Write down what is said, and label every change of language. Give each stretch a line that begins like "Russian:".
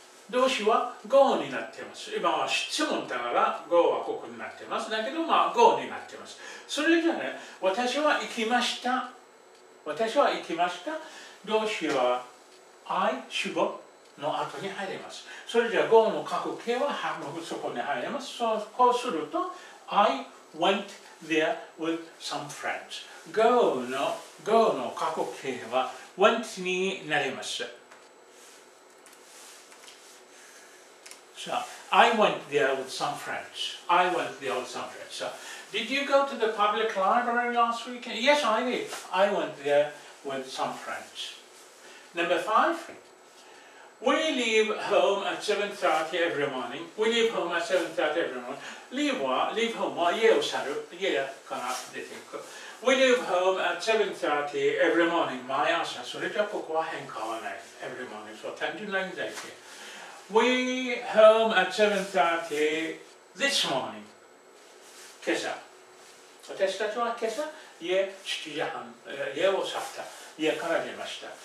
Japanese: 動詞は go になっています。今は質問だから go はここになっています。だけどまあ go になっています。それじゃあね、私は行きました。私は行きました。動詞は I、主語の後に入ります。それじゃあ go の過去形はそこに入ります。そうすると
English: I went there with some friends。
Japanese: Go の過去形は went になります。
English: So, I went there with some friends. I went there with some friends. So, did you go to the public library last weekend? Yes, I did. I went there with some friends. Number five. We leave home at 7:30 every morning. We leave home at 7:30 every morning.
Japanese: Leave home. 家を去る。家から出て行く。
English: We leave home at 7:30 every morning.
Japanese: 毎朝。それじゃここは変化はない。
English: Every morning. So,
Japanese: 単純な意味で。
English: We home at 7:30 this morning.
Japanese: 今朝。私たちは今朝、家7時半、家を去った。家から出ました。